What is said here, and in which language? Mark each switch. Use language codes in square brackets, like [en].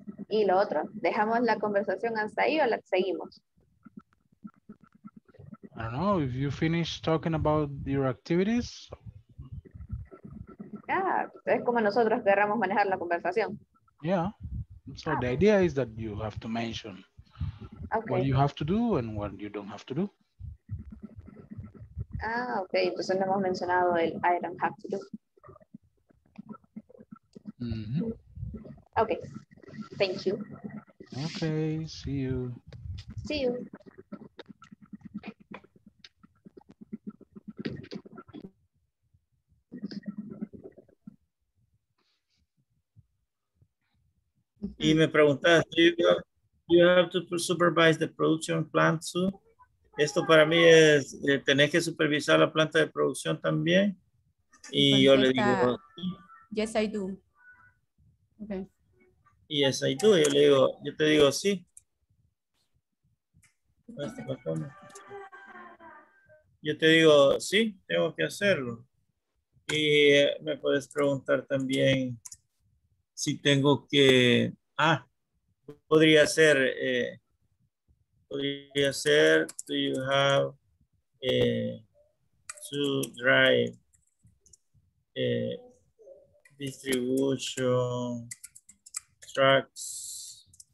[es] Y lo otro, ¿dejamos la conversación hasta ahí o la seguimos? [en] I don't know, if you finish talking about your activities. [es] Ah, es como nosotros querramos manejar la conversación. [en] Yeah. So the idea is that you have to mention what you have to do and what you don't have to do. [es] Ah, ok. Entonces no hemos mencionado el [en] I don't have to do. Mm-hmm. Ok. Thank you. Ok. See you. See you. [es] Y me preguntas, [en] you have to supervise the production plant too? [es] Esto para mí es tener que supervisar la planta de producción también. Y contesta, yo le digo, [en] yes, I do. Okay. Yes, I do. [es] Yo le digo, yo te digo, sí. Yo te digo, sí, tengo que hacerlo. Y me puedes preguntar también si tengo que. Ah, podría ser. Podría ser, [en] do you have to drive distribution trucks?